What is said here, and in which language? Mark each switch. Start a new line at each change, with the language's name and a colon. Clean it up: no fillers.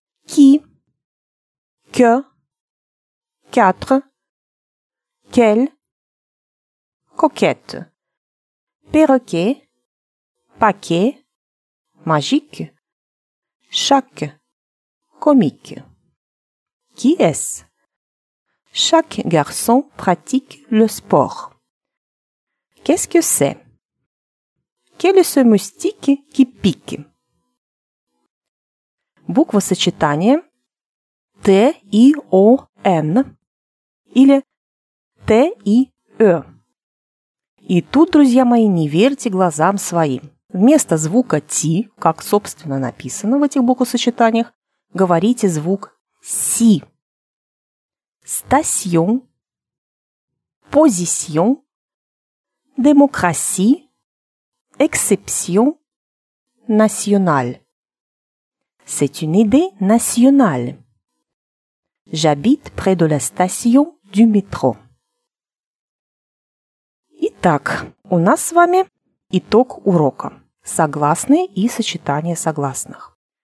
French: «Ки», «кё», «кятр», «кель», «кокетт», «перроке», «паке», «мажик», «шак», «комик». «Qui est-ce? Chaque garçon pratique le sport. Qu'est-ce que c'est? Quel est ce moustique qui pique?»
Russian: Буква сочетания T-I-O-N или T-I-E. И тут, друзья мои, не верьте глазам своим. Вместо звука T, как собственно написано в этих буквосочетаниях, говорите звук C.
French: Station, position, démocratie, exception, national. C'est une idée nationale. J'habite près de la station du métro.
Russian: Итак, у нас с вами итог урока. Согласные и сочетание согласных.